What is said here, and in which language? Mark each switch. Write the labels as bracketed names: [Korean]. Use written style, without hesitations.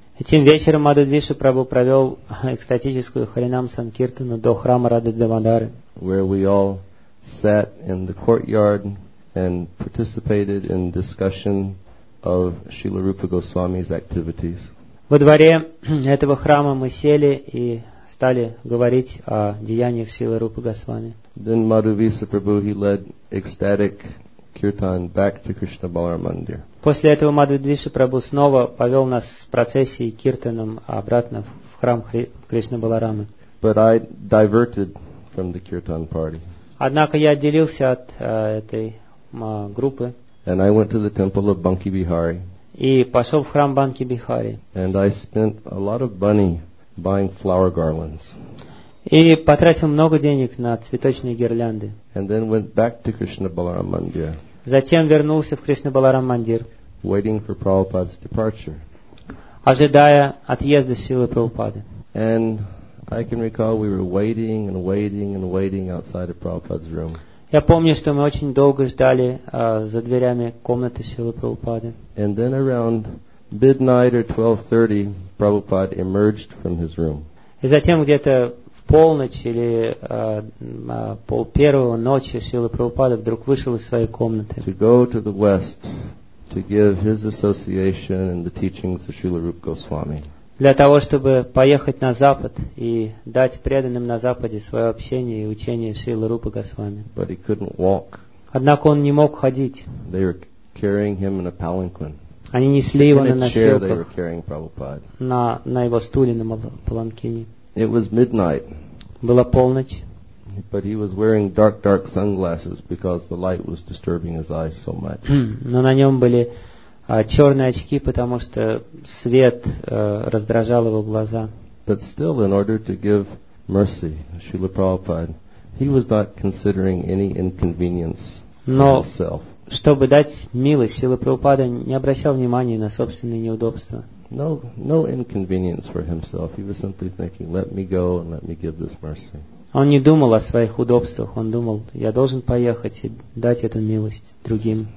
[Russian] И тем вечером Мадхудвиша Прабху провел экстатическую Харинам Санкиртану до храма Рады Дамодары. [English] Where we all sat in the courtyard and participated in discussion of Srila Rupa Goswami's activities. [Russian] Во дворе этого храма мы сели и стали говорить о деяниях Шрилы Рупы Госвами. [English] Then Мадхудвиша Прабху, he led ecstatic Kirtan back to Krishna Balaram Mandir. [Russian] После этого Мадхудвиша Прабху снова повел нас с процессией киртаном обратно в храм Кришны Баларамы. [English] But I diverted from the kirtan party. [Russian] Однако я отделился от этой группы. [English] And I went to the temple of Banki Bihari. [Russian] И пошел в храм Банки Бихари. [English] And I spent a lot of money buying flower garlands. [Russian] И потратил много денег на цветочные гирлянды. [English] And then went back to Krishna Balaram Mandir. [Russian] Затем вернулся в Кришна Баларам Мандир. [English] Waiting for Prabhupada's departure. [Russian] Ожидая отъезда Шрилы Прабхупады. [English] And I can recall we were waiting and waiting and waiting outside of Prabhupada's room. [Russian] Я помню, что мы очень долго ждали за дверями комнаты Шрилы Прабхупады. [English] And then around midnight or 12:30, Prabhupada emerged from his room. [Russian] И затем где-то полночь или пол первого ночи Шрила Прабхупада вдруг вышел из своей комнаты. [English] To go to the west to give his association and the teachings of Srila Rupa Goswami. [Russian] Для того, чтобы поехать на запад и дать преданным на западе свое общение и учение Шрилы Рупы Госвами. [English] But he couldn't walk. [Russian] Однако он не мог ходить. [English] They were carrying him in a palanquin. [Russian] Они несли его на носилках. [English] They were carrying Prabhupada. [Russian] На его стуле, на паланкине. [English] It was midnight. [Russian] Была полночь. [English] but he was wearing dark, dark sunglasses because the light was disturbing his eyes so much. [Russian] Но на нем были черные очки, потому что свет раздражал его глаза. [English] But still, in order to give mercy, Srila Prabhupada, he was not considering any inconvenience for himself. [Russian] Чтобы дать милость, Шрила Прабхупада не обращал внимания на собственные неудобства. [English] No, no inconvenience for himself. He was simply thinking, "Let me go and let me give this mercy." [Russian] Он не думал о своих удобствах. Он думал, я должен поехать и дать эту милость другим.